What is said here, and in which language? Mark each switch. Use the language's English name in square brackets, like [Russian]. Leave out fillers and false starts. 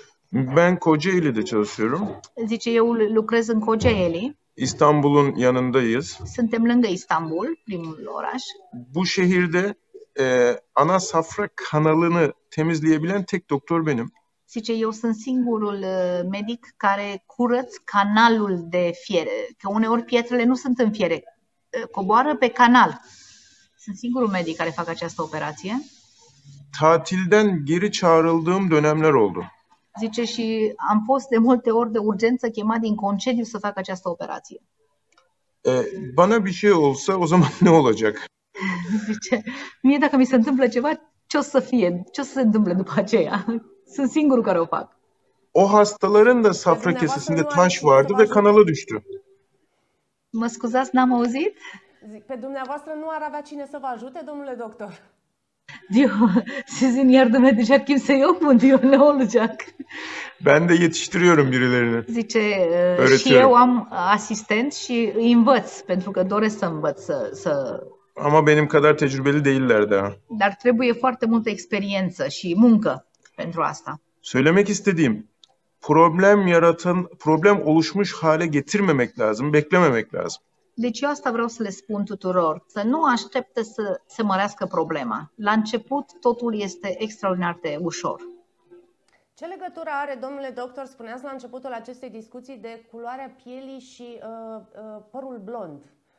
[Turkish] Ben Kocaeli'de çalışıyorum. [Romanian] Zice, eu lucrez în Kocaeli. [Turkish] İstanbul'un yanındayız. [Romanian] Suntem lângă Istanbul, primul oraș. [Turkish] Bu şehirde ana safra kanalını temizleyebilen tek doktor benim. [Romanian] Zice, eu sunt singurul medic care curăț canalul de fiere. Că uneori pietrele nu sunt în fiere, coboară pe canal. Sunt singurul medic care fac această operație. [Turkish] Tatilden geri çağrıldığım dönemler oldu. [Romanian] Zice, și am fost de multe ori de urgență chemat din concediu să fac această operație. [Turkish] Bana bir şey olsa o zaman ne olacak? [Romanian] Zice, mie dacă mi se întâmplă ceva, ce o să fie? Ce o să se întâmple după aceea? Sunt singurul care o fac. [Turkish] O hastaların da safra kesesinde taş vardı ve kanala düştü. [Romanian] Mă scuzați, n-am auzit? Pe dumneavoastră nu ar avea cine să vă ajute, domnule doctor? [Turkish] Diyor, sizin yardıma edecek kimse yok mu diyor, ne olacak? Ben de yetiştiriyorum birilerini. [Romanian] Zice, și eu am asistent și îi învăț, pentru că doresc să învăț să... [Turkish] Ama benim kadar tecrübeli değiller daha. [Romanian] Dar trebuie foarte multă experiență și muncă pentru asta. [Turkish] Söylemek istediğim, problem yaratan, problem oluşmuş hale getirmemek lazım, beklememek lazım. [Romanian] Deci eu asta vreau să le spun tuturor, să nu aștepte să se mărească problema. La început totul este extraordinar de ușor. Ce legătură are, domnule doctor, spuneați la începutul acestei discuții, de culoarea pielii și părul blond?